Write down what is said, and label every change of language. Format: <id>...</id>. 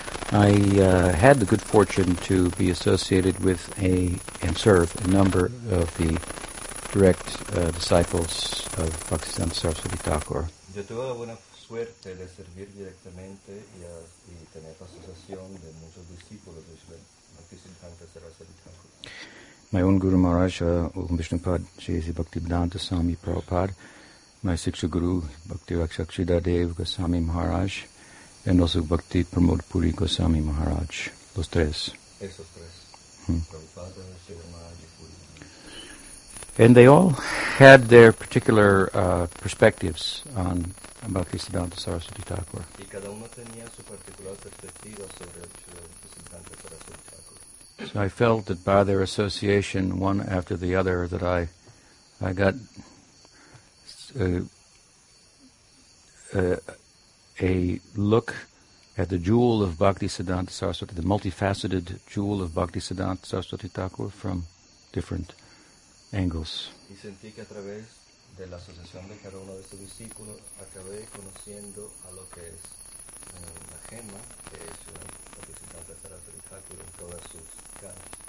<en>I had the good fortune to be associated with and serve a number of the direct disciples of Bhaktisiddhanta Saraswati Thakura.</en> <es>Yo tuve la buena suerte de servir directamente y tener la asociación de muchos discípulos de Bhaktisiddhanta Saraswati Thakura.</es> <en>My own Guru Maharaj, Om Vishnupad, Shri Bhaktivedanta Swami Prabhupada, my Siksha Guru, Bhaktivakshakshida Dev Goswami Maharaj, and also Bhakti Pramod Puri Goswami Maharaj.</en> <es>Los tres. Esos tres. Prabhupada, Shri Maharaj, Puri.</es> <en>And they all had their particular perspectives on Bhaktisiddhanta Saraswati Thakura.</en> <es>Y cada uno tenía su particular perspectiva sobre Bhaktisiddhanta Saraswati Thakura.</es> <en>So I felt that by their association, one after the other, that I got a look at the jewel of Bhaktisiddhanta Saraswati, the multifaceted jewel of Bhaktisiddhanta Saraswati Thakura from different angles.</en> <es>Y sentí que a través de la asociación de cada uno de estos discípulos acabé conociendo a lo que es la gema que es la Bhaktisiddhanta Saraswati Thakura en todas sus caras.</es>